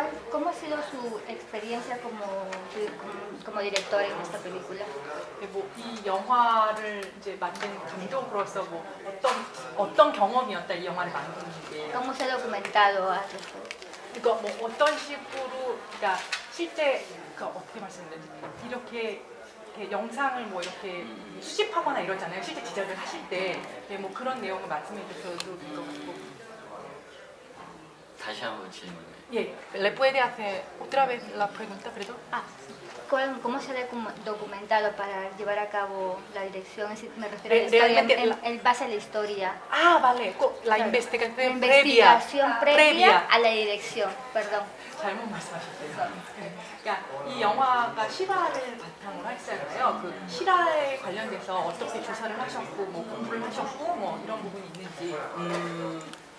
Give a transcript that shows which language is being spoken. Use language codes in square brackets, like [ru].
[es] ¿Cómo ha sido su experiencia como director en esta película? [ko] 뭐, 이 영화를 이제 만든 감독으로서 뭐, 어떤 경험이었다, 이 영화를 만드는 게. [es] ¿Cómo se ha documentado? [ko] 이거 뭐, 어떤 식으로, 그러니까 실제, 어떻게 말씀드렸는지, 이렇게 영상을 뭐 이렇게 수집하거나 이러잖아요. 실제 지적을 하실 때 뭐 그런 내용을 말씀해 주셔도 될 것 같고. 다시 한번 질문해. 예. [es] Le puede hacer otra vez la pregunta, creo. ¿Cómo se ha documentado para llevar a cabo la dirección? Es decir, me refiero en base a la historia. Ah, vale. La investigación previa. La investigación previa a la dirección, perdón. [ko] 잘못 말씀하셨어요. 그러니까 이 영화가 실화를 바탕으로 했잖아요. 그 실화에 관련돼서 어떻게 조사를 하셨고, 뭐 공부를 하셨고, 뭐 이런 부분이 있는지.